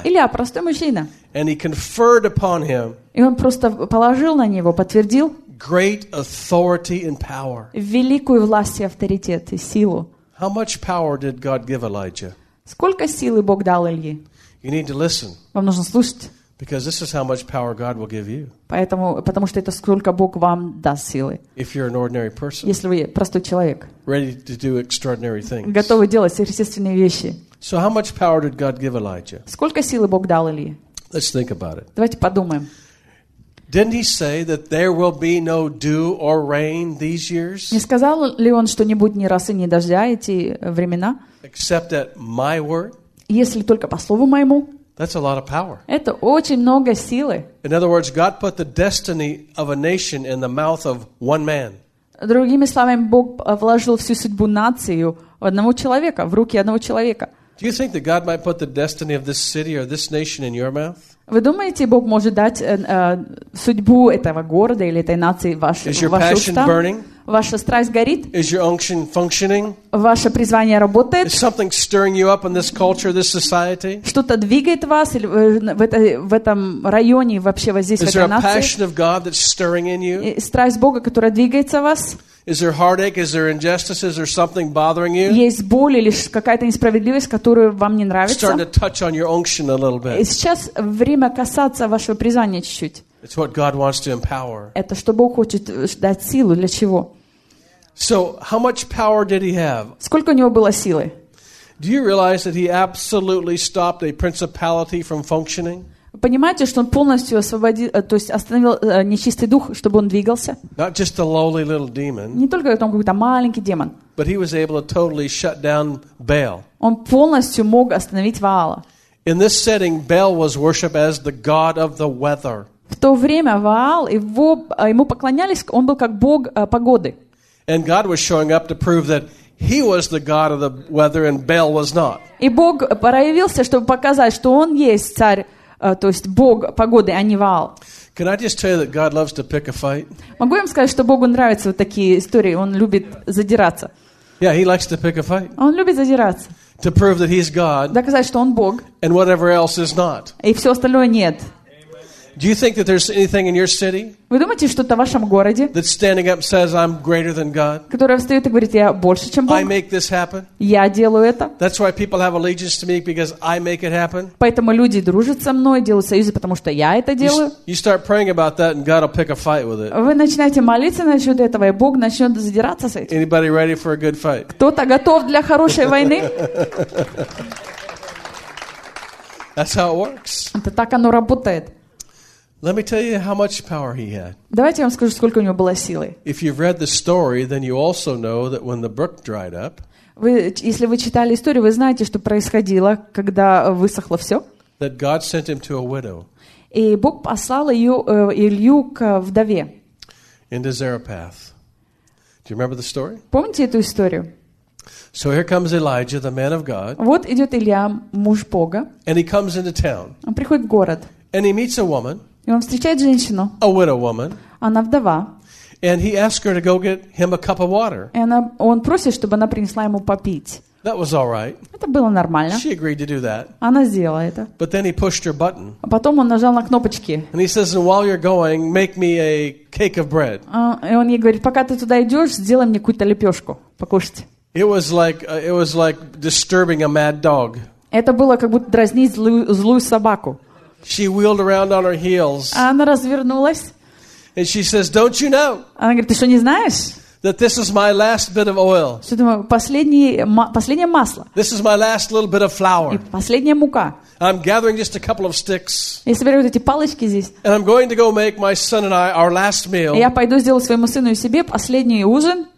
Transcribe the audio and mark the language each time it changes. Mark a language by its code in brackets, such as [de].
[ru] Илия, простой мужчина, [en] and he conferred upon him, [ru] и он просто положил на него, подтвердил [en] great authority and power. [ru] Великую власть и авторитет, и силу. [en] How much power did God give Elijah? [ru] Сколько силы Бог дал Илье? [en] You need to listen. [ru] Вам нужно слушать. [en] Because this is how much power God will give you. [ru] Поэтому, потому что это сколько Бог вам даст силы. [en] If you're an ordinary person. [ru] Если вы простой человек. [en] Ready to do extraordinary things. [ru] Готовы делать сверхъестественные вещи. [en] So how much power did God give Elijah? [ru] Сколько силы Бог дал Илье? [en] Let's think about it. [ru] Давайте подумаем. [en] Didn't he say that there will be no dew or rain these years? [ru] Не сказал ли он, что не будет ни росы, ни дождя эти времена? [en] Except at my word. [ru] Если только по слову моему. [en] That's a lot of power. [ru] Это очень много силы. [en] In other words, God put the destiny of a nation in the mouth of one man. [ru] Другими словами, Бог вложил всю судьбу нации в одного человека, в руки одного человека. [en] Do you think that God might put the destiny of this city or this nation in your mouth? [ru] Вы думаете, Бог может дать судьбу этого города или этой нации в ваши уста? [en] Is your passion burning? [ru] Ваша страсть горит? [en] Is your unction functioning? [ru] Ваше призвание работает? [en] Is something stirring you up in this culture, this society? [ru] Что-то двигает вас или в этом районе, вообще вот здесь, в этой нации? [en] Is there a passion of God that's stirring in you? [ru] Страсть Бога, которая двигается в вас? [en] Is there heartache? Is there injustice? Is there something bothering you? [ru] Есть боль или какая-то несправедливость, которую вам не нравится? [en] Starting to touch on your unction a little bit. [ru] И сейчас время касаться вашего призвания чуть-чуть. [en] It's what God wants to empower. [ru] Это что Бог хочет дать силу для чего? [en] So, how much power did he have? [ru] Сколько у него было силы? [en] Do you realize that he absolutely stopped a principality from functioning? [ru] Понимаете, что он полностью освободил, то есть остановил нечистый дух, чтобы он двигался? [en] Not just a lowly little demon. [ru] Не только там какой-то маленький демон. [en] But he was able to totally shut down Baal. [ru] Он полностью мог остановить Ваала. [en] In this setting, Baal was worshipped as the god of the weather. [ru] В то время Ваал, ему поклонялись, он был как бог погоды. [en] And God was showing up to prove that he was the god of the weather and Baal was not. [ru] И Бог проявился, чтобы показать, что он есть царь, то есть бог погоды, а не Ваал. [en] Can I just tell you that God loves to pick a fight? [ru] Могу я вам сказать, что Богу нравятся вот такие истории, он любит задираться. [en] Yeah, he likes to pick a fight. [ru] Он любит задираться. [en] To prove that he's God. [ru] Доказать, что он бог. [en] And whatever else is not. [ru] И все остальное нет. [en] Do you think that there's anything in your city? [ru] Вы думаете, что-то в вашем городе? [en] That standing up says I'm greater than God. [ru] Которая встает и говорит, я больше, чем Бог. [en] I make this happen. [ru] Я делаю это. [en] That's why people have allegiance to me because I make it happen. [ru] Поэтому люди дружат со мной, делают союзы, потому что я это делаю. [en] You start praying about that and God will pick a fight with it. [ru] Вы начинаете молиться насчет этого, и Бог начнет задираться с этим. [en] Anybody ready for a good fight? [ru] Кто-то готов для хорошей войны? [en] That's how it works. [ru] Это так оно работает. [en] Let me tell you how much power he had. [ru] Давайте я вам скажу, сколько у него было силы. [en] If you've read the story, then you also know that when the brook dried up. [ru] Вы, если вы читали историю, вы знаете, что происходило, когда высохло все. [en] That God sent him to a widow. [ru] И Бог послал ее Илью к вдове. [en] Into Zarephath. Do you remember the story? [ru] Помните эту историю? [en] So here comes Elijah, the man of God. [ru] Вот идет Илья, муж Бога. [en] And he comes into town. [ru] Он приходит в город. [en] And he meets a woman. [ru] И он встречает женщину. [en] A widow woman. [ru] Она вдова. [en] And he asks her to go get him a cup of water. [ru] И она, он просит, чтобы она принесла ему попить. [en] That was all right. [ru] Это было нормально. [en] She agreed to do that. [ru] Она сделала это. [en] But then he pushed her button. [ru] А потом он нажал на кнопочки. [en] And he says, "While you're going, make me a cake of bread." [ru] И он ей говорит, пока ты туда идешь, сделай мне какую-то лепешку покушать. [en] It was like disturbing a mad dog. [ru] Это было как будто дразнить злую собаку. [en] She wheeled around on her heels. [ru] Она развернулась. [en] And she says, "Don't you know?" [ru] Она говорит, ты что не знаешь? [en] That this is my last bit of oil. [ru] Последнее масло. [en] This is my last little bit of flour. [ru] И последняя мука. [en] I'm gathering just a couple of sticks. [ru] Я собираю вот эти палочки здесь. [en] And I'm going to go make my son and I our last meal. [ru] Я пойду сделаю своему сыну и себе последний ужин.